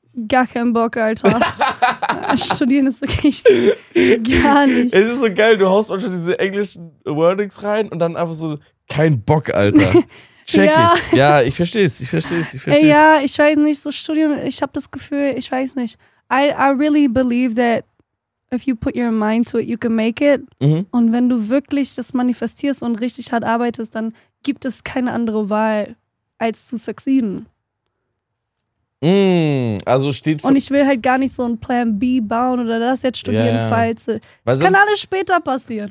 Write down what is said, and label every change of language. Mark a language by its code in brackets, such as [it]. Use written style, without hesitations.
[de] Gar keinen Bock, Alter. Studieren ist wirklich gar nicht. Es ist so geil, du haust manchmal diese englischen Wordings rein und dann einfach so, kein Bock, Alter. [en] Check [de] ja. [en] it. [de] Ja, ich verstehe es, ich verstehe es, ich verstehe es. Ja, ich weiß nicht, so Studium, ich habe das Gefühl, ich weiß nicht. [en] I really believe that if you put your mind to it, you can make it. Mhm. [de] Und wenn du wirklich das manifestierst und richtig hart arbeitest, dann gibt es keine andere Wahl, als zu succeeden. Also steht. Und ich will halt gar nicht so ein Plan B bauen oder das jetzt studieren, [en] yeah, [de] falls. Das kann alles später passieren.